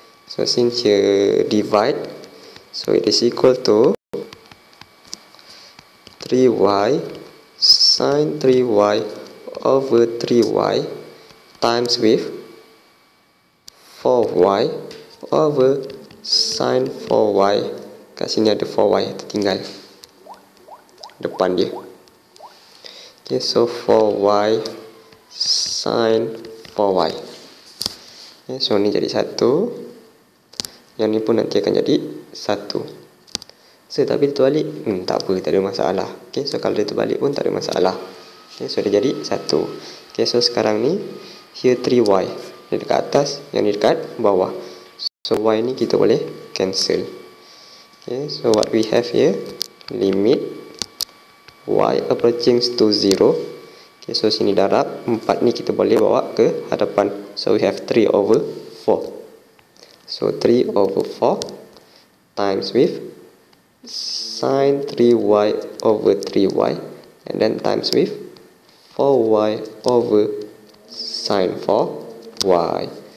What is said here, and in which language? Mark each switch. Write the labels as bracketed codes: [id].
[en] So since you divide, so it is equal to 3y sin 3y over 3y times with 4y over sin 4y. [ms] Kat sini ada 4y tertinggal depan dia. Okay, so 4y sin 4y. Okay, so ni jadi 1. Yang ni pun nanti akan jadi 1. So, tapi terbalik, tak apa, tak ada masalah. Okay, so kalau dia terbalik pun tak ada masalah. Okay, so dia jadi 1. Okay, so sekarang ni here 3y. Dia dekat atas, yang ni dekat bawah. So y ni kita boleh cancel. [en] Okay, so what we have here, limit y approaching to 0. [ms] Okay, so sini darab, 4 ni kita boleh bawa ke hadapan. [en] So we have 3 over 4. So 3 over 4 times with sin 3y over 3y, and then times with 4y over sin 4y.